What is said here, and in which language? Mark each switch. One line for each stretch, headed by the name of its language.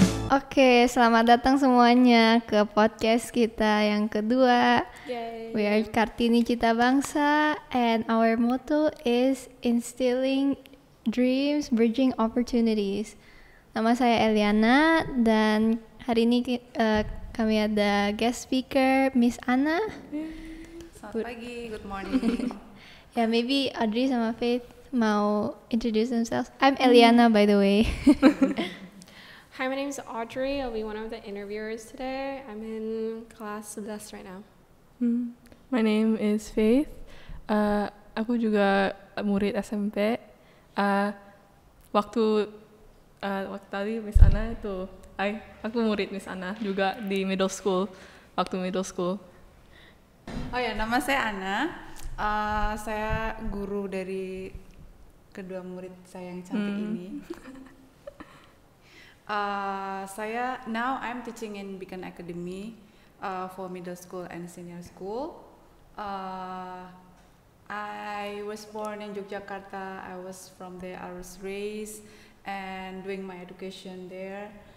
Indonesian: Oke, selamat datang semuanya ke podcast kita yang kedua. Yay.
English: We are Kartini Cita Bangsa and our motto is instilling dreams, bridging opportunities.
Indonesian: Nama saya Eliana dan hari ini kami ada guest speaker Miss Anna. Selamat pagi,
English: good morning. Yeah, maybe Audrey sama Faith mau introduce themselves. I'm Eliana, by the way. Hi, my name is Audrey. I'll be one of the interviewers today. I'm in class 11 right now. My name is Faith.
Indonesian: Aku juga murid SMP. Waktu tadi Miss Anna itu, aku murid Miss Anna juga di middle school. Waktu middle school. Oh ya, nama saya Anna. Saya guru dari kedua murid saya yang cantik ini.
English: Now I'm teaching in Beacon Academy for middle school and senior school. I was born in Yogyakarta. I was from there. I was raised and doing my education there.